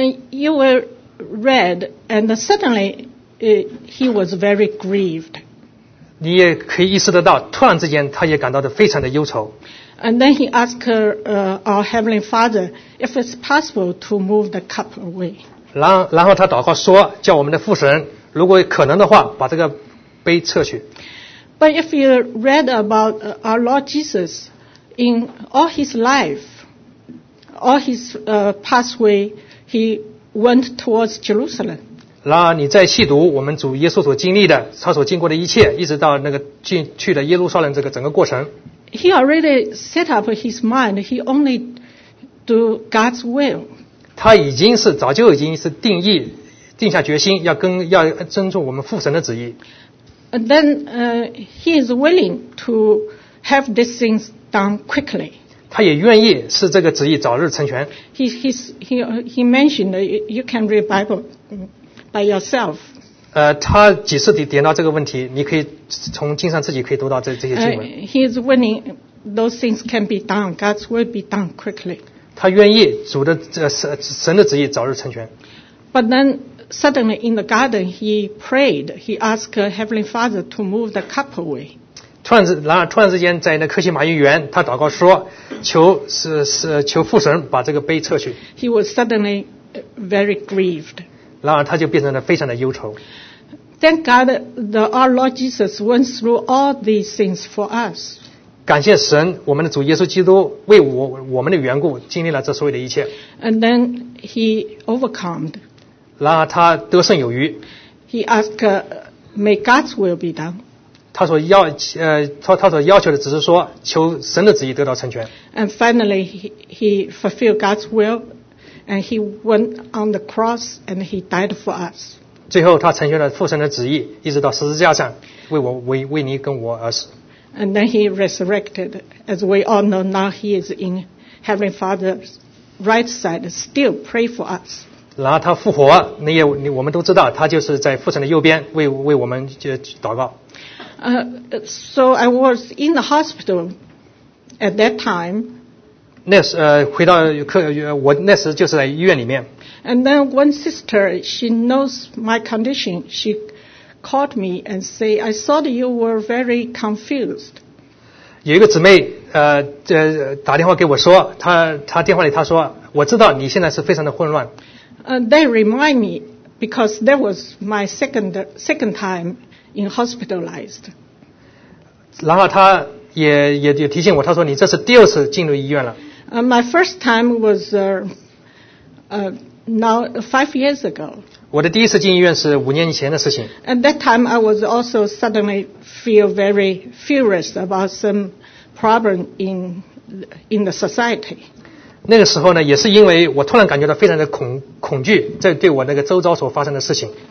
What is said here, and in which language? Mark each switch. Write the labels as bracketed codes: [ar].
[en] You will. Read and suddenly he was very grieved. [zh] 你也可以意识得到，突然之间他也感到的非常的忧愁。 [en] And then he asked our Heavenly Father if it's possible to move the cup away. [zh] 然后他祷告说，叫我们的父神，如果可能的话，把这个杯撤去。 [en] But if you read about our Lord Jesus in all his life, all his pathway, he. Went towards Jerusalem. [zh] 然后你再细读我们主耶稣所经历的，他所经过的一切，一直到那个去的耶路撒冷这个整个过程。 [en] He already set up his mind. He only do God's will. [zh] 他已经是早就已经是定义，定下决心要遵从我们父神的旨意。 [en] And then, he is willing to have these things done quickly. [zh] 他也愿意使这个旨意早日成全。 [en] He mentioned that you can read Bible by yourself. [zh] 他几次点到这个问题，你可以从经上自己可以读到这些经文。 [en] He is willing those things can be done, God's will be done quickly. [zh] 他愿意主的神的旨意早日成全。 [en] But then suddenly in the garden he prayed, he asked Heavenly Father to move the cup away. [zh] 突然之间在那克西马尼园他祷告说求父神把这个杯撤去。 [en] He was suddenly very grieved. [zh] 然而他就变成了非常的忧愁。 [en] Thank God our Lord Jesus went through all these things for us. [zh] 感谢神，我们的主耶稣基督为我们的缘故经历了这所有的一切。 [en] And then he overcomed. [zh] 然而他得胜有余。 [en] He asked, "May God's will be done." [zh] 他所要求的只是说求神的旨意得到成全。 [en] And finally, he fulfilled God's will, and he went on the cross, and he died for us. [zh] 最后他成全了父神的旨意，一直到十字架上为你跟我而死。 [en] And then he resurrected. As we all know, now he is in Heavenly Father's right side, still pray for us. [zh] 然后他复活，那也我们都知道，他就是在父神的右边为我们祷告。 [en] So I was in the hospital at that time. [zh] 那时回到客，我那时就是在医院里面。 [en] And then one sister, she knows my condition. She called me and say, "I thought you were very confused." [zh] 有一个姊妹打电话给我说，她电话里她说，我知道你现在是非常的混乱。 [en] That remind me because that was my second time in hospitalized. [zh] 然后她也提醒我，她说你这是第二次进入医院了。 [en] My first time was now 5 years ago. [zh] 我的第一次进医院是五年以前的事情。 [en] At that time, I was also suddenly feel very furious about some problem in the society. [zh] 那个时候呢，也是因为我突然感觉到非常的恐惧，在对我那个周遭所发生的事情。